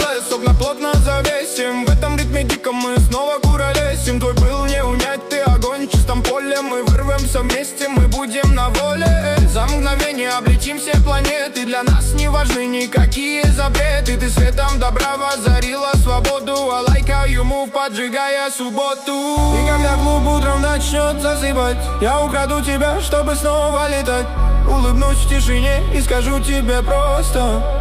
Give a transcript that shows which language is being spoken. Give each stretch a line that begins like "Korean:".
Russian: Окна плотно завесим. В этом ритме диком мы снова куролесим. Твой пыл не унять, ты огонь в чистом поле. Мы вырвемся вместе, мы будем на воле. За мгновение облетим все планеты. Для нас не важны никакие запреты. Ты светом добра возорила свободу.
English: I like how you move,
Russian: поджигая субботу. И когда клуб утром начнет засыпать, я украду тебя, чтобы снова летать. Улыбнусь в тишине и скажу тебе просто: